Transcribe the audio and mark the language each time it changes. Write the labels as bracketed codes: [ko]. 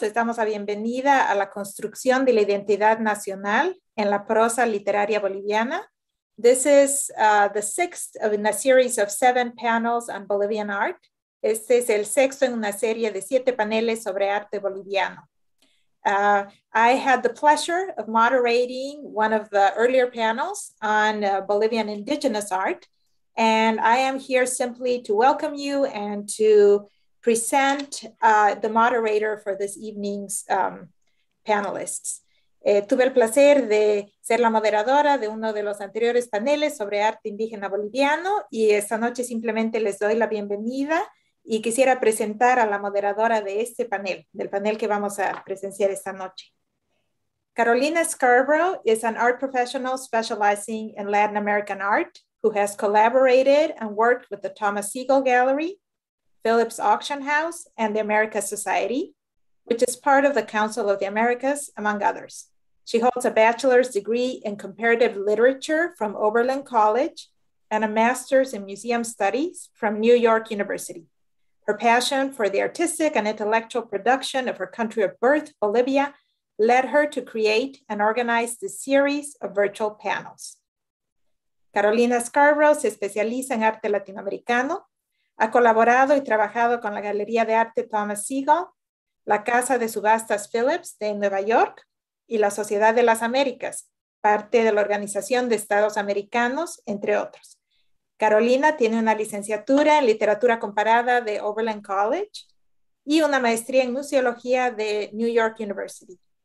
[es] Les damos la bienvenida a la construcción de la identidad nacional en la prosa literaria boliviana. [en] This is the sixth of, in a series of seven panels on Bolivian art. [es] Este es el sexto en una serie de siete paneles sobre arte boliviano. [en] I had the pleasure of moderating one of the earlier panels on Bolivian indigenous art, and I am here simply to welcome you and to present the moderator for this evening's panelists. [es] Tuve el placer de ser la moderadora de uno de los anteriores paneles sobre arte indígena boliviano, y esta noche simplemente les doy la bienvenida y quisiera presentar a la moderadora de este panel, del panel que vamos a presenciar esta noche. [en] Carolina Scarborough is an art professional specializing in Latin American art, who has collaborated and worked with the Thomas Siegel Gallery, Phillips Auction House, and the America Society, which is part of the Council of the Americas, among others. She holds a bachelor's degree in comparative literature from Oberlin College and a master's in museum studies from New York University. Her passion for the artistic and intellectual production of her country of birth, Bolivia, led her to create and organize this series of virtual panels. [es] Carolina Scarborough se especializa en arte latinoamericano. Ha colaborado y trabajado con la Galería de Arte Thomas Siegel, la Casa de Subastas Phillips de Nueva York y la Sociedad de las Américas, parte de la Organización de Estados Americanos, entre otros. Carolina tiene una licenciatura en literatura comparada de Oberlin College y una maestría en museología de New York University.